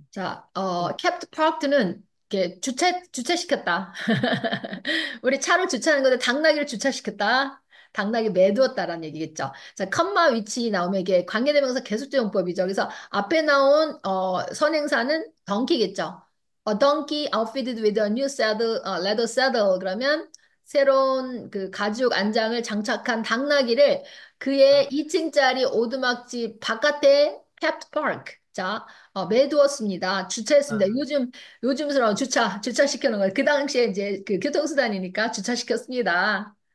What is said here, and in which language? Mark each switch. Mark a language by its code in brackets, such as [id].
[ko] 자, 캡트 파크는 이렇게 주차시켰다. 우리 차를 주차하는 건데 당나귀를 주차시켰다. 당나귀 매두었다라는 얘기겠죠. 자, 컴마 위치 나오면 이게 관계대명사 계속조용법이죠. 그래서 앞에 나온 선행사는 덩키겠죠. [en] A donkey outfitted with a new saddle, a leather saddle. [ko] 그러면 새로운 그 가죽 안장을 장착한 당나귀를 그의 2층짜리 오두막집 바깥에 캡트 파크. 자, 매두었습니다. 주차했습니다. 요즘스러운 주차 시켜놓은 거예요. 그 당시에 이제 그 교통수단이니까 주차시켰습니다.